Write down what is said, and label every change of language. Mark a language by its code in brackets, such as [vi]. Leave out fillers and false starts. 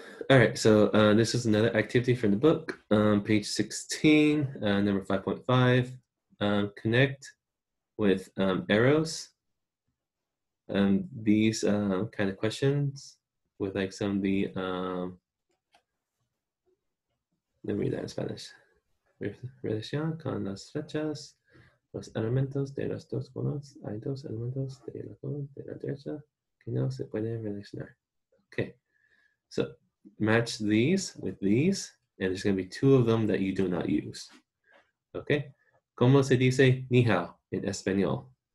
[en] All right, so this is another activity from the book. Page 16, number 5.5. Connect with arrows. These kind of questions with like some of the... let me read that in Spanish. [es] Relación con las flechas, los elementos de las dos colas, hay dos elementos de la cola de la derecha que no se pueden relacionar. [en] Okay, so match these with these, and there's going to be two of them that you do not use. [es] Okay, ¿cómo se dice ni hao in español?